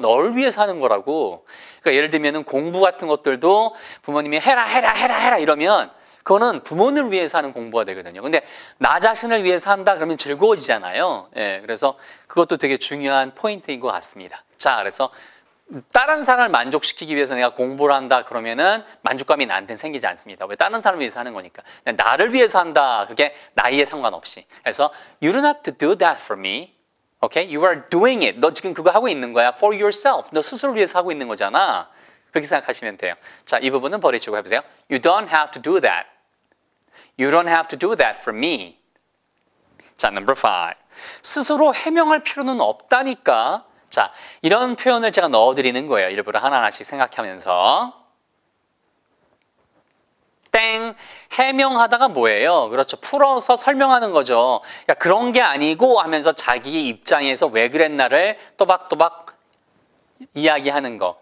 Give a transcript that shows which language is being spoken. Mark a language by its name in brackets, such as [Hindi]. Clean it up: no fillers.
[Korean] 너를 위해서 하는 거라고. 그러니까 예를 들면 공부 같은 것들도 부모님이 해라 해라 해라 해라 이러면 그거는 부모님을 위해서 하는 공부가 되거든요. 근데 나 자신을 위해서 한다 그러면 즐거워지잖아요. 예, 그래서 그것도 되게 중요한 포인트인 것 같습니다. 자, 그래서 다른 사람을 만족시키기 위해서 내가 공부를 한다 그러면은 만족감이 나한테는 생기지 않습니다. 왜? 다른 사람을 위해서 하는 거니까. 나를 위해서 한다. 그게 나이에 상관없이. 그래서 [English] you don't have to do that for me. Okay? You are doing it. [Korean] 너 지금 그거 하고 있는 거야. [English] For yourself. [Korean] 너 스스로 위해서 하고 있는 거잖아. 그렇게 생각하시면 돼요. 자, 이 부분은 버리시고 해보세요. [English] You don't have to do that. You don't have to do that for me. 자, number five. [Korean] 스스로 해명할 필요는 없다니까. 자, 이런 표현을 제가 넣어드리는 거예요. 일부러 하나하나씩 생각하면서. 땡. 해명하다가 뭐예요? 그렇죠. 풀어서 설명하는 거죠. 야, 그런 게 아니고 하면서 자기 입장에서 왜 그랬나를 또박또박 이야기하는 거.